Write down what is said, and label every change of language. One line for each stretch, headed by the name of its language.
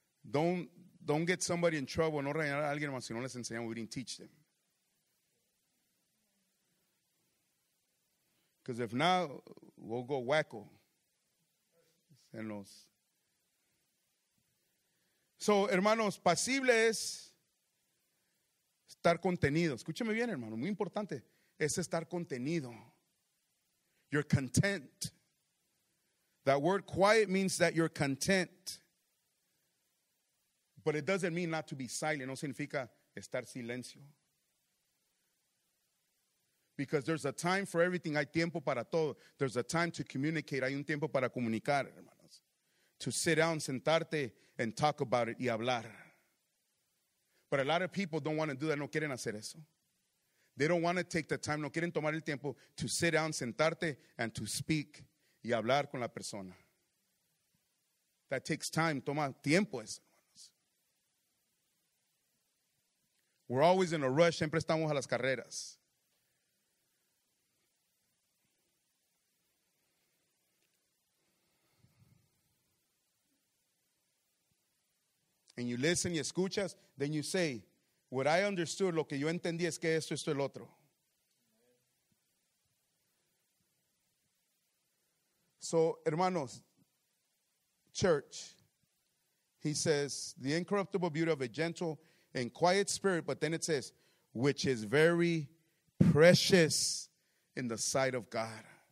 English: Don't get somebody in trouble.
Spanish: No regañar a alguien más si no les enseñamos.
English: We didn't teach them. Because if not, we'll go wacko.
Spanish: So, hermanos, pasible es estar contenido. Escúcheme bien, hermano. Muy importante es estar contenido.
English: You're content. That word quiet means that you're content. But it doesn't mean not to be silent.
Spanish: No significa estar silencio.
English: Because there's a time for everything.
Spanish: Hay tiempo para todo.
English: There's a time to communicate.
Spanish: Hay un tiempo para comunicar, hermanos.
English: To sit down,
Spanish: sentarte,
English: and talk about it
Spanish: y hablar.
English: But a lot of people don't want to do that.
Spanish: No quieren hacer eso.
English: They don't want to take the time.
Spanish: No quieren tomar el tiempo
English: to sit down,
Spanish: sentarte,
English: and to speak
Spanish: y hablar con la persona.
English: That takes time.
Spanish: Toma tiempo eso.
English: We're always in a rush.
Spanish: Siempre estamos a las carreras.
English: And you listen,
Spanish: y escuchas,
English: then you say, what I understood,
Spanish: lo que yo entendí es que esto, esto, el otro.
English: So, hermanos, church, he says, the incorruptible beauty of a gentle and quiet spirit, but then it says, which is very precious in the sight of God.